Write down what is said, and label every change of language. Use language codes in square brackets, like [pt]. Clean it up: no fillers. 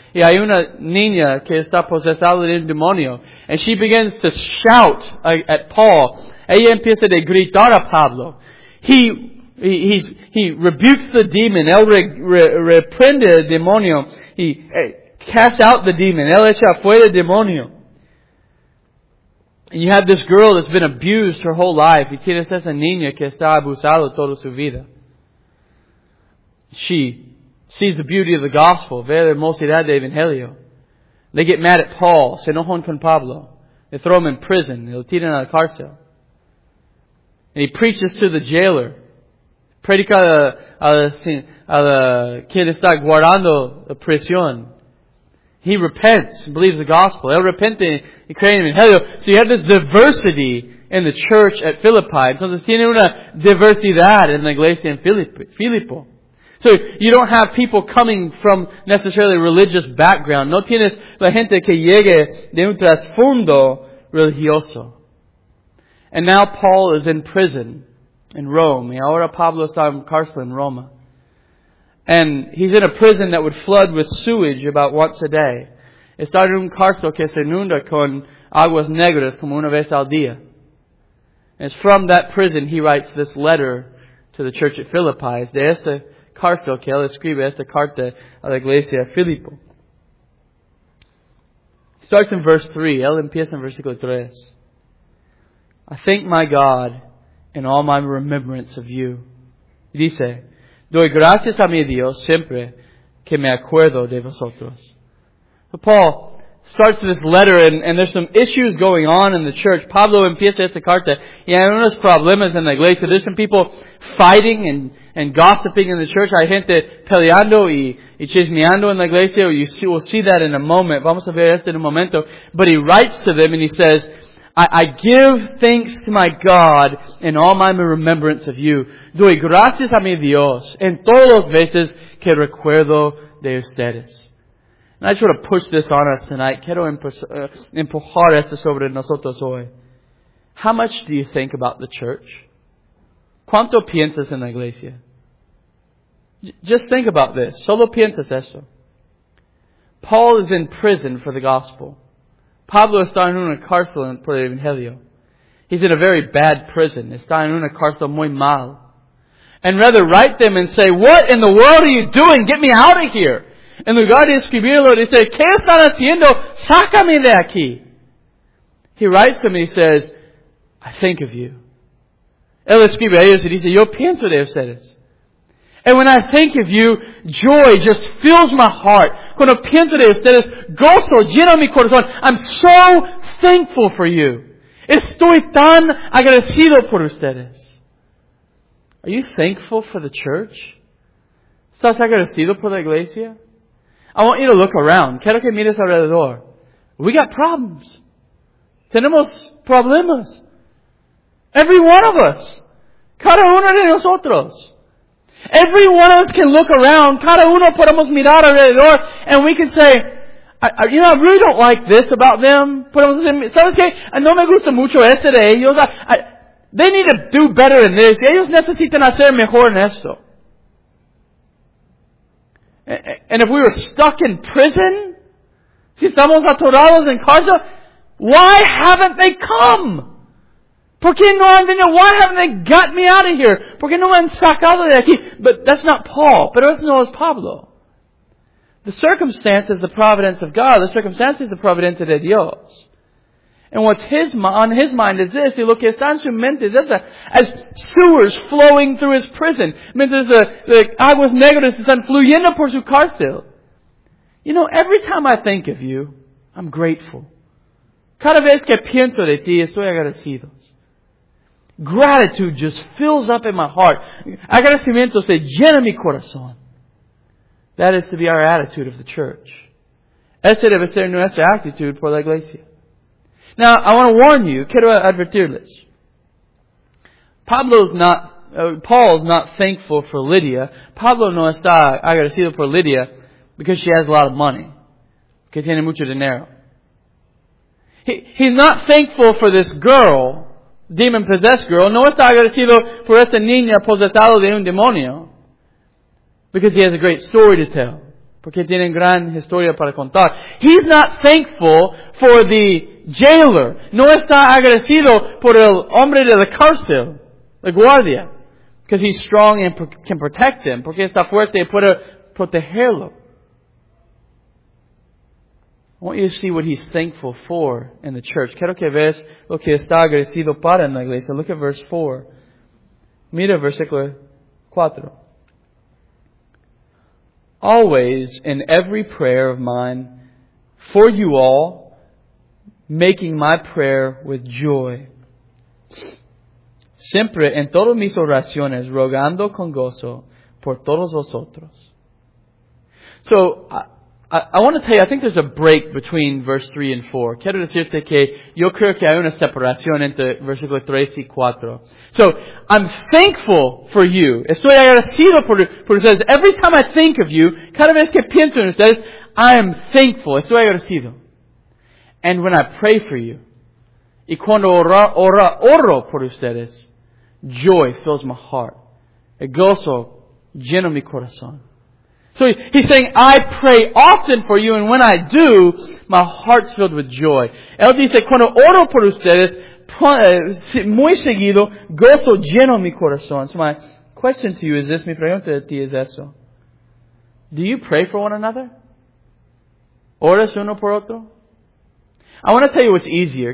[es] Y hay una niña que está posesada de un demonio. [en] And she begins to shout at Paul. [es] Ella empieza a gritar a Pablo. [en] He rebukes the demon. [es] Él reprende el demonio. [en] He casts out the demon. [es] Él echa fuera el demonio. [en] And you have this girl that's been abused her whole life. [es] Y tienes esa niña que está abusada toda su vida. [en] She sees the beauty of the gospel. [es] Ve la hermosidad del evangelio. [en] They get mad at Paul. [es] Se enojan con Pablo. [en] They throw him in prison. [es] Y lo tiran a la cárcel. [en] And he preaches to the jailer. [es] Predica a quien está guardando la prisión. [en] He repents and believes the gospel. [es] Él repente y cree en el evangelio. [en] So you have this diversity in the church at Philippi. [es] Entonces tiene una diversidad en la iglesia en Filipo. [en] So you don't have people coming from necessarily religious background. [es] No tienes la gente que llegue de un trasfondo religioso. [en] And now Paul is in prison in Rome. [es] Y ahora Pablo está en cárcel en Roma. [en] And he's in a prison that would flood with sewage about once a day. [es] Está en un cárcel que se inunda con aguas negras como una vez al día. [en] And it's from that prison he writes this letter to the church at Philippi. [es] Es de esta cárcel que él escribe esta carta a la iglesia de Filipo. [en] Starts in verse 3. [es] Él empieza en versículo 3. [en] I thank my God in all my remembrance of you. [es] Dice, doy gracias a mi Dios siempre que me acuerdo de vosotros. [en] So Paul starts this letter and there's some issues going on in the church. [es] Pablo empieza esta carta y hay unos problemas en la iglesia. [en] There's some people fighting and gossiping in the church. [es] Hay gente peleando y chismeando en la iglesia. [en] We'll see that in a moment. [es] Vamos a ver esto en un momento. [en] But he writes to them and he says, I give thanks to my God in all my remembrance of you. [es] Doy gracias a mi Dios en todos los veces que recuerdo de ustedes. [en] And I just want to push this on us tonight. [es] Quiero empujar esto sobre nosotros hoy. [en] How much do you think about the church? [es] ¿Cuánto piensas en la iglesia? [en] Just think about this. [es] Solo piensas esto. [en] Paul is in prison for the gospel. [es] Pablo está en una cárcel por el evangelio. [en] He's in a very bad prison. [es] Está en una cárcel muy mal. [en] And rather write them and say, what in the world are you doing? Get me out of here. [es] En lugar de escribirlo, dice, ¿qué están haciendo? Sácame de aquí. [en] He writes to me, he says, I think of you. [es] Él escribe a ellos y dice, yo pienso de ustedes. [en] And when I think of you, joy just fills my heart. [es] Cuando pienso de ustedes, gozo llena mi corazón. [en] I'm so thankful for you. [es] Estoy tan agradecido por ustedes. [en] Are you thankful for the church? [es] ¿Estás agradecido por la iglesia? [en] I want you to look around. [es] Quiero que mires alrededor. [en] We got problems. [es] Tenemos problemas. [en] Every one of us. [es] Cada uno de nosotros. [en] Every one of us can look around. [es] Cada uno podemos mirar alrededor. [en] And we can say, I really don't like this about them. [es] Podemos decir, ¿sabes qué? No me gusta mucho este de ellos. [en] They need to do better in this. [es] Ellos necesitan hacer mejor en esto. [en] And if we were stuck in prison, [es] si estamos atorados en cárcel, [en] why haven't they come? [es] ¿Por qué no han venido? [en] Why haven't they got me out of here? [es] ¿Por qué no me han sacado de aquí? [en] But that's not Paul. [es] Pero eso no es Pablo. [en] The circumstance is the providence of God. The circumstance is the [es] providencia de Dios. [en] And what's on his mind is this. [es] Y lo que está en su mente es esa. [en] As sewers flowing through his prison. [es] Mientras the aguas negras están fluyendo por su cárcel. [en] You know, every time I think of you, I'm grateful. [es] Cada vez que pienso de ti, estoy agradecido. [en] Gratitude just fills up in my heart. [es] Agradecimiento se llena mi corazón. [en] That is to be our attitude of the church. [es] Esa debe ser nuestra actitud por la iglesia. [en] Now, I want to warn you, [es] quiero advertirles. [en] Paul's not thankful for Lydia. [es] Pablo no está agradecido por Lydia [en] because she has a lot of money. [es] Que tiene mucho dinero. [en] He's not thankful for this girl, demon-possessed girl. [es] No está agradecido por esta niña posesada de un demonio. [en] Because he has a great story to tell. [es] Porque tiene gran historia para contar. [en] He's not thankful for the jailer. [es] No está agradecido por el hombre de la cárcel, la guardia. [en] Because he's strong and can protect him. [es] Porque está fuerte y puede protegerlo. [en] I want you to see what he's thankful for in the church. [es] Quiero que veas lo que está agradecido para en la iglesia. [en] Look at verse 4. [es] Mira versículo 4. [en] Always in every prayer of mine for you all, making my prayer with joy. [es] Siempre en todas mis oraciones, rogando con gozo por todos vosotros. [en] So, I want to tell you, I think there's a break between verse 3 and 4. [es] Quiero decirte que yo creo que hay una separación entre versículos 3 y 4. [en] So, I'm thankful for you. [es] Estoy agradecido por ustedes. [en] Every time I think of you, [es] cada vez que pienso en ustedes, [en] I am thankful. [es] Estoy agradecido. [en] And when I pray for you, [es] y cuando oro por ustedes, [en] joy fills my heart. [es] El gozo llena mi corazón. [en] So he's saying, I pray often for you, and when I do, my heart's filled with joy. [es] Él dice, cuando oro por ustedes, muy seguido, gozo lleno mi corazón. [en] So my question to you is this, [es] mi pregunta a ti es eso. [en] Do you pray for one another? [es] ¿Oras uno por otro? [en] I want to tell you what's easier.